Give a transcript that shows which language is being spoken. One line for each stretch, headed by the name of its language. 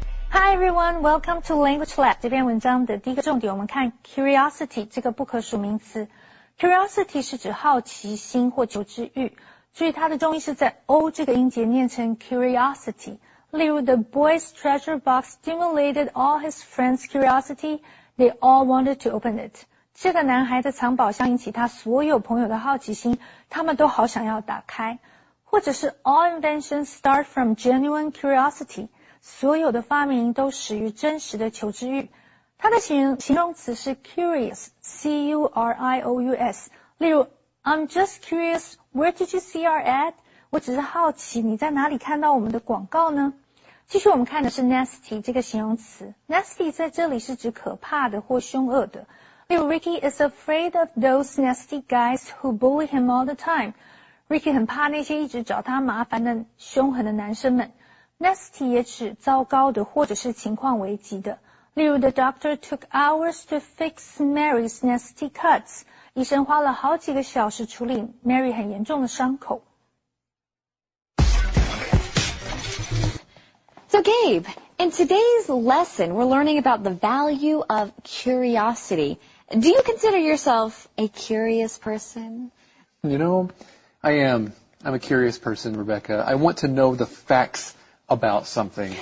English: Hi everyone, welcome to Language Lab.
Chinese: 这篇文章的第一个重点，我们看 curiosity 这个不可数名词。 Curiosity 是指好奇心或求知欲。注意它的重音是在 O 这个音节念成 curiosity。例如
English: ,the boy's treasure box stimulated all his friends' curiosity. They all wanted to open it.
Chinese: 这个男孩的藏宝箱引起他所有朋友的好奇心，他们都好想要打开。或者是
English: all inventions start from genuine curiosity.
Chinese: 所有的发明都始于真实的求知欲。它的形容词是 curious, C-U-R-I-O-U-S. 例如
English: I'm just curious, where did you see our ad?
Chinese: 我只是好奇你在哪里看到我们的广告呢？继续我们看的是 nasty 这个形容词。Nasty 在这里是指可怕的或凶恶的。例如
English: Ricky is afraid of those nasty guys who bully him all the time.
Chinese: Ricky 很怕那些一直找他麻烦的凶狠的男生们。 Nasty 也指糟糕的或者是情况危急的。例如
English: The doctor took hours to fix Mary's nasty cuts.
Chinese: 医生花了好几个小时处理 Mary 很严重的伤口。
English: So Gabe, in today's lesson, we're learning about the value of curiosity. Do you consider yourself a curious person? You know, I am. I'm a curious person, Rebecca. I want to know the facts about something.